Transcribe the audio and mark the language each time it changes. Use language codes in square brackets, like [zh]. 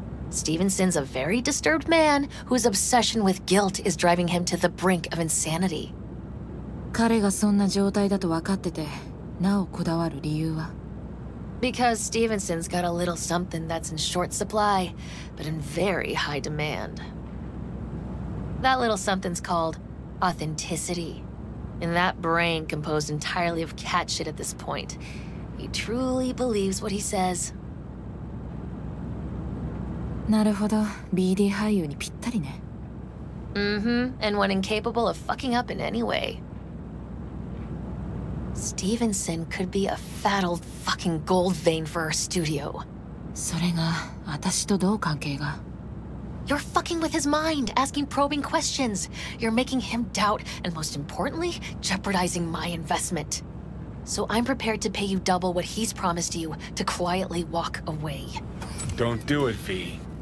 [en] Stevenson's a very disturbed man whose obsession with guilt is driving him to the brink of insanity. [ja] 彼がそんな状態だと分かってて、なおこだわる理由は? [en] Because Stevenson's got a little something that's in short supply, but in very high demand. That little something's called authenticity. And that brain, composed entirely of cat shit at this point, he truly believes what he says. [ja] なるほど。 BD 俳優にぴったりね。 Mm-hmm. [en] And one incapable of fucking up in any way. Stevenson could be a fat old fucking gold vein for our studio. [ja] それが私とどう関係が? [en] You're fucking with his mind, asking probing questions. You're making him doubt, and most importantly, jeopardizing my investment. So I'm prepared to pay you double what he's promised you to quietly walk away. Don't do it, V.